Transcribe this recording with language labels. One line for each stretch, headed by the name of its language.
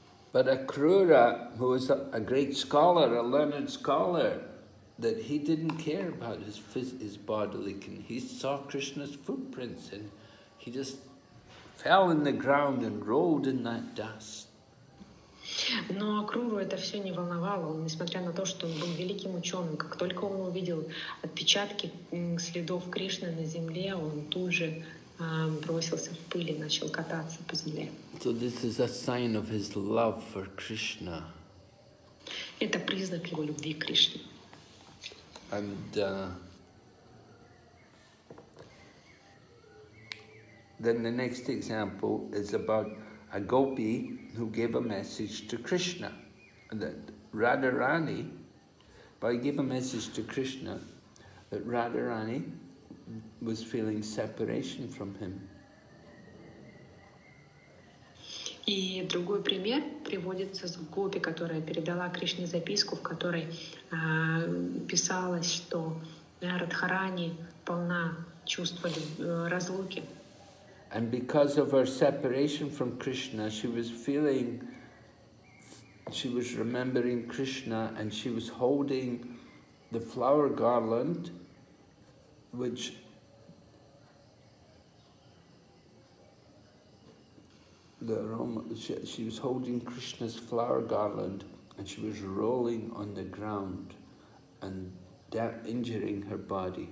English: But Akrura, who was a great scholar, a learned scholar, that he didn't care about his bodily condition. He saw Krishna's footprints and he just fell in the ground and rolled in that dust.
Russian: Но Акруру это все не волновало, несмотря на то, что он был великим ученым. Как только он увидел отпечатки следов Кришны на земле, он тут же бросился в пыль и начал кататься по земле.
English: So this is a sign of his love for Krishna.
Russian: Это признак его любви к Кришне.
English: And then the next example is about a gopi who gave a message to Krishna, that Radharani, but he gave a message to Krishna that Radharani was feeling separation from him.
Russian: И другой пример приводится с гопи, которая передала Кришне записку, в которой писалось, что Радхарани полна чувства разлуки.
English: And because of her separation from Krishna, she was feeling, she was remembering Krishna, and she was holding the flower garland, which the aroma, she was holding Krishna's flower garland, and she was rolling on the ground and injuring her body.